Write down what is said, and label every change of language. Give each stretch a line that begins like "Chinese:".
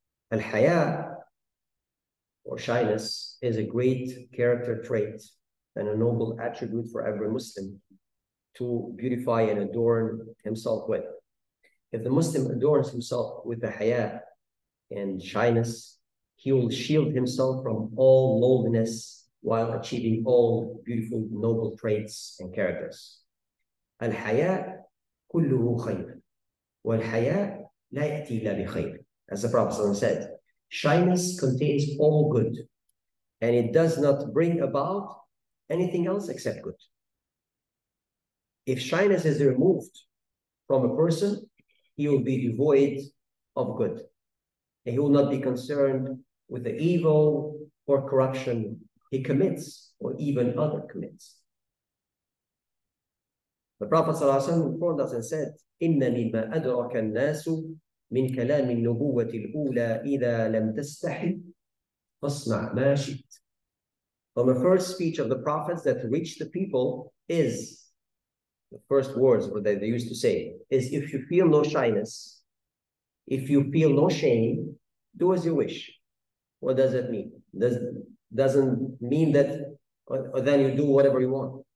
English: Al-haya, or shyness, is a great character trait and a noble attribute for every Muslim to beautify and adorn himself with. If the Muslim adorns himself with the haya and shyness, he will shield himself from all lowliness while achieving all beautiful, noble traits and characters.
Arabic: Al-haya kulluhu khayr. Wal-haya لَا يَأْتِي إِلَّا بِخَيْرٍ.
English: As the Prophet said, shyness contains all good, and it does not bring about anything else except good. If shyness is removed from a person, he will be devoid of good, and he will not be concerned with the evil or corruption he commits, or even other commits. The Prophet informed us and said,
Arabic: إِنَّنِي مَا أَدْرَكَ النَّاسُ مِنْ كَلَامِ النُّبُوَّةِ الْأُولَىٰ إِذَا لَمْ تَسْتَحِدْ فَاصْنَعْ مَا شِئْتْ.
English: From the first speech of the prophets that reached the people is, the first words that they used to say, is if you feel no shyness, if you feel no shame, do as you wish. What does that mean? Doesn't mean that then you do whatever you want.